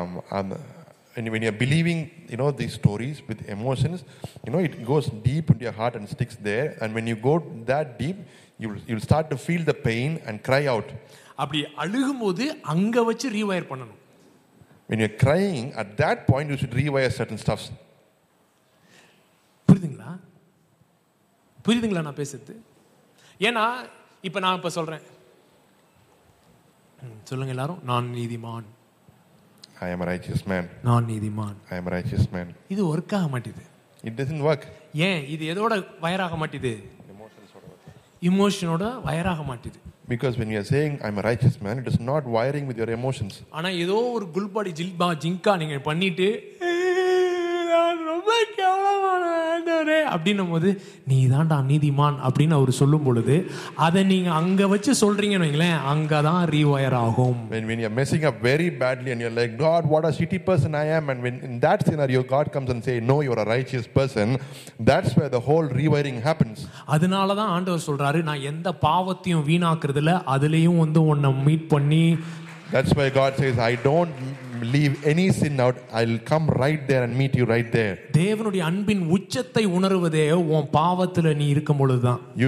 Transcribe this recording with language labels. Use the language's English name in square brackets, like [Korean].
[English] And when you're believing, you know, these stories with emotions, you know, it goes deep into your heart and sticks there. And when you go that deep, you'll start to feel the pain and cry out. [Tamil] அப்படி அழுகும்போது அங்க வச்சு rewire பண்ணனும். [English] When you're crying, at that point, you should rewire certain stuffs. [Tamil] புரியுதுங்களா? புரியுதுங்களா நான் பேசுறது? ஏன்னா இப்ப நான் இப்ப சொல்றேன், சொல்லுங்க எல்லாரும், நான் நீதிமான். [English] I am a righteous man. [Tamil] நான் நீதிமான். [English] I am a righteous man. [Tamil] இது வொர்க் ஆக மாட்டேது. [English] It doesn't work. [Tamil] ஏன் இது எதோட வயர் ஆக மாட்டேது? எமோஷனோட வயர் ஆக மாட்டேது. [English] Because when you are saying I am a righteous man, it is not wiring with your emotions. [Tamil] ஆனா ஏதோ ஒரு குல்பாடி ஜில்பா ஜிங்கா நீங்க பண்ணிட்டு நான் ரொம்ப கேவலமானவனே அப்படின்னும்போது நீதான்டா நீதிமான் அப்படின்னு அவர் சொல்லும் பொழுது அதை நீங்க அங்க வச்சு சொல்றீங்கன்னு வைங்களேன், அங்கதான் ரீவயர் ஆகும். [English] When you are messing up very badly and you're like, God, what a shitty person I am, and when in that scenario God comes and say, no, you're a righteous person, that's where the whole rewiring happens. [Tamil] அதனாலதான் ஆண்டவர் சொல்றாரு, நான் எந்த பாவத்தையும் வீணாக்குறதுல அதுலயும் வந்து உன்னை meet பண்ணி. [English] That's why God says, I don't leave any sin out. I'll come right there and meet you right there. [Tamil] தேவனுடைய அன்பின் உச்சத்தை உணருவதே உன் பாவத்துல நீ இருக்கும் பொழுதுதான்.